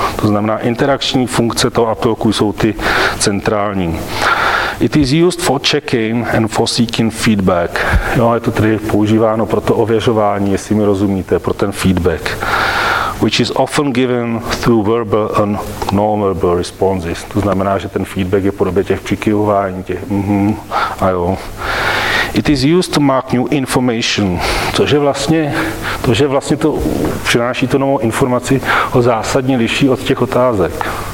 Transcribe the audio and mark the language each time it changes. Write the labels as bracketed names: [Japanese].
[Czech] To znamená, interakční funkce toho aptolku jsou ty centrální. [English] It is used for checking and for seeking feedback. [Czech] Jo, je to tedy používáno pro to ověřování, jestli mi rozumíte, pro ten feedback. [English] Which is often given through verbal and non-verbal responses. [Czech] To znamená, že ten feedback je v podobě těch přikyvování, těch a jo. [English] It is used to mark new information, [Czech] což je vlastně to, že vlastně to přináší tu novou informaci, ho zásadně liší od těch otázek.